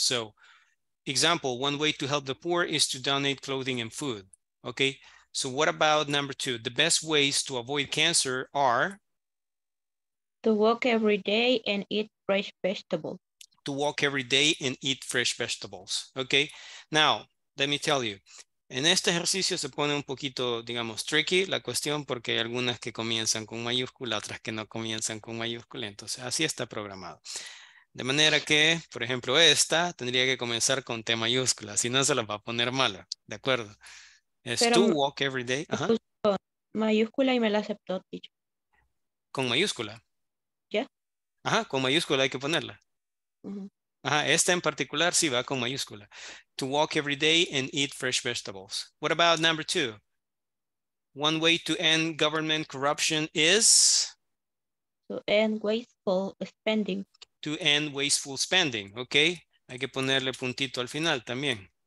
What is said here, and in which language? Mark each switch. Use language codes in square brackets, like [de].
[en] So, example, one way to help the poor is to donate clothing and food. Okay. So what about number two? The best ways to avoid cancer are? To walk every day and eat fresh vegetables. To walk every day and eat fresh vegetables. Okay. Now, let me tell you. [es] En este ejercicio se pone un poquito, digamos, tricky la cuestión porque hay algunas que comienzan con mayúscula, otras que no comienzan con mayúscula. Entonces, así está programado. De manera que, por ejemplo, esta tendría que comenzar con T mayúscula. Si no, se la va a poner mala. ¿De acuerdo? Es [en] to walk every day. [es] Ajá. Mayúscula y me la aceptó, teacher. ¿Con mayúscula? [en] Yeah. [es] Ajá, con mayúscula hay que ponerla. Uh-huh. Ajá, esta en particular sí va con mayúscula. [en] To walk every day and eat fresh vegetables. What about number two? One way to end government corruption is? To end wasteful spending. To end wasteful spending, okay. [es] Hay que ponerle puntito al final también.